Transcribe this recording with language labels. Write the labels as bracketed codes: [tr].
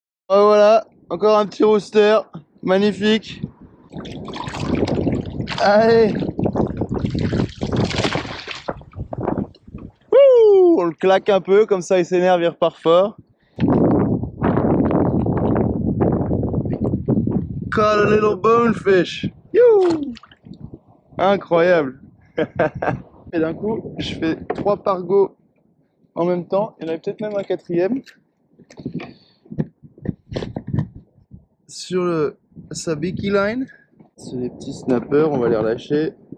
[fr] Oh, voilà, encore un petit rooster, magnifique. Allez. Ouh, on le claque un peu, comme ça il s'énerve, il repart fort. [en] Caught a little bonefish. [fr] Youhou. Incroyable. Et d'un coup, je fais 3 pargos en même temps, il y en avait peut-être même un quatrième. Sur sa Biki Line, c'est des petits snappers, on va les relâcher.